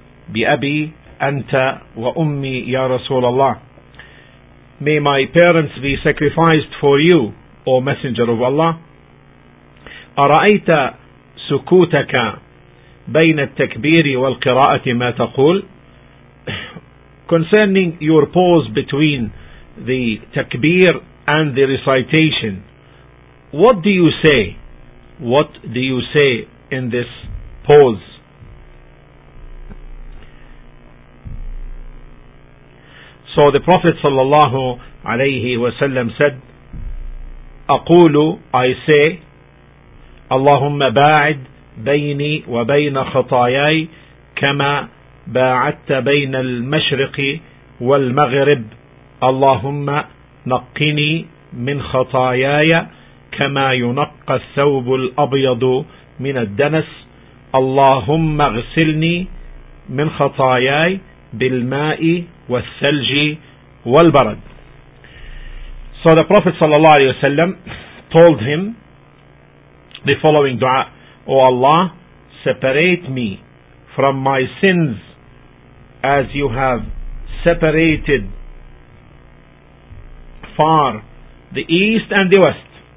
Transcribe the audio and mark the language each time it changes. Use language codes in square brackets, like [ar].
[ar] بأبي أنت وأمي يا رسول الله. [en] May my parents be sacrificed for you, O Messenger of Allah. [ar] أرأيت سكوتك بين التكبير والقراءة ما تقول. [en] Concerning your pause between the takbir and the recitation, what do you say? What do you say in this pause? So the Prophet sallallahu alayhi wasallam said, [ar] أقول, [en] I say, [ar] اللهم باعد بيني وبين خطاياي كما باعدت بين المشرق والمغرب. اللهم نقني من خطاياي كما ينقى الثوب الأبيض من الدنس. اللهم اغسلني من خطاياي بالماء والثلج والبرد. [en] So the Prophet sallallahu alayhi wa sallam told him the following dua: O Allah, separate me from my sins as you have separated far the east and the west.